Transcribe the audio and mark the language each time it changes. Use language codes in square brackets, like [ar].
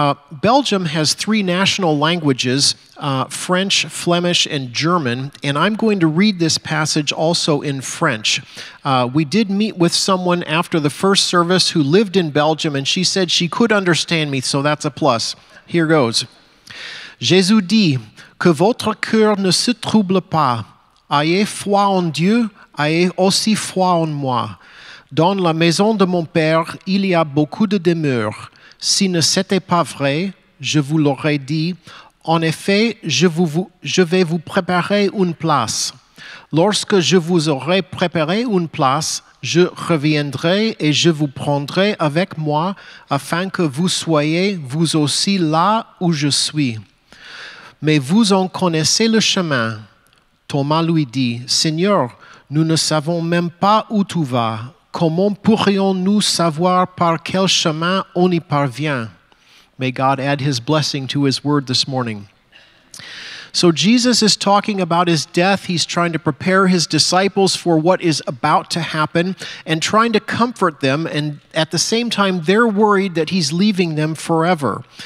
[en] Belgium has three national languages, French, Flemish, and German, and I'm going to read this passage also in French. We did meet with someone after the first service who lived in Belgium, and she said she could understand me, so that's a plus. Here goes. [fr] Jésus dit, "Que votre cœur ne se trouble pas. Ayez foi en Dieu, ayez aussi foi en moi. Dans la maison de mon Père, il y a beaucoup de demeures. Si ne c'était pas vrai, je vous l'aurais dit. En effet, je vais vous préparer une place. Lorsque je vous aurai préparé une place, je reviendrai et je vous prendrai avec moi afin que vous soyez vous aussi là où je suis. Mais vous en connaissez le chemin." Thomas lui dit, "Seigneur, nous ne savons même pas où tu vas. Comment pourrions-nous savoir par quel chemin on y parvient?" [en] May God add his blessing to his word this morning. So Jesus is talking about his death. He's trying to prepare his disciples for what is about to happen and trying to comfort them. And at the same time, they're worried that he's leaving them forever.